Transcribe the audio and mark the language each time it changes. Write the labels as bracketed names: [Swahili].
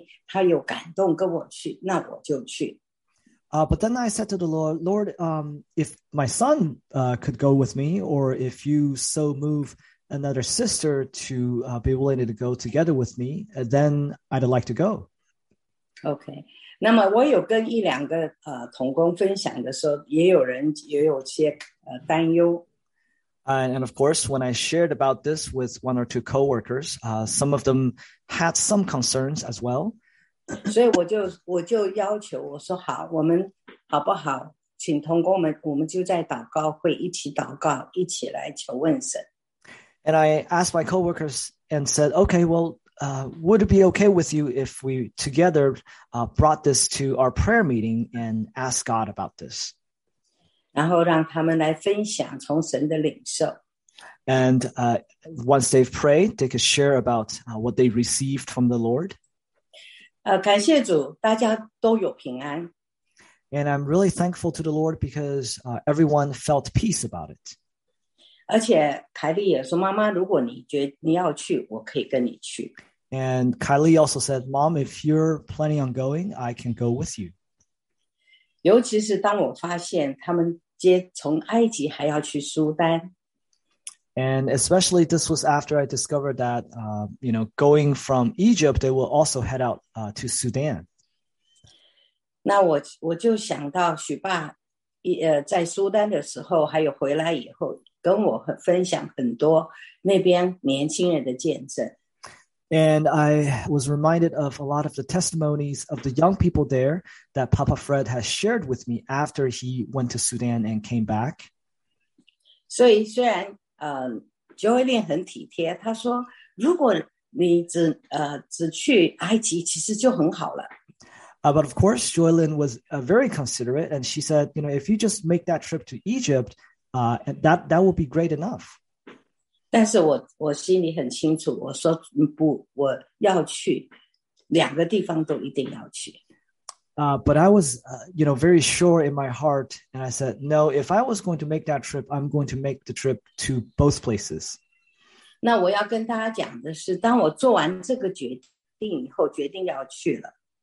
[Chinese] 不过呢，可是我就到主，我就开始在想，我说主啊，如果我的儿子愿意跟我去，或者有别的姐妹她有感动跟我去，那我就去。 [English] But then I said to the Lord, Lord, if my son could go with me, or if you so move another sister to be willing to go together with me, then I'd like to go. Okay. [Chinese] 那么我有跟一两个同工分享的时候，也有人也有些担忧。 [English] And of course, when I shared about this with one or two coworkers, some of them had some concerns as well. [Chinese] 所以我就要求我说好，我们好不好？请同工们，我们就在祷告会一起祷告，一起来求问神。 [English] And I asked my coworkers and said, "Okay, well, Would it be okay with you if we together brought this to our prayer meeting and asked God about this? [Chinese] 然后让他们来分享从神的领受。 [English] And once they've prayed, they could share about what they received from the Lord. [Chinese] 感谢主，大家都有平安。 [English] And I'm really thankful to the Lord because everyone felt peace about it. [Chinese] 而且凯莉也说，妈妈，如果你觉得你要去，我可以跟你去。 [English] And Kylie also said, Mom, if you're planning on going, I can go with you. [Chinese] 尤其是当我发现他们接从埃及还要去苏丹。 [English] And especially this was after I discovered that, you know, going from Egypt, they will also head out to Sudan. [Chinese] 那我就想到许爸在苏丹的时候还有回来以后跟我分享很多那边年轻人的见证。 [English] And I was reminded of a lot of the testimonies of the young people there that Papa Fred has shared with me after he went to Sudan and came back. [Chinese] 所以虽然Joylene 很体贴，她说如果你只去埃及，其实就很好了。 [English] But of course, Joylene was very considerate, and she said, you know, if you just make that trip to Egypt, that will be great enough. [Chinese] 但是我心里很清楚，我说不，我要去，两个地方都一定要去。 [English] But I was, you know, very sure in my heart, and I said, no, if I was going to make that trip, I'm going to make the trip to both places. [Chinese] 那我要跟大家讲的是，当我做完这个决定以后，决定要去了。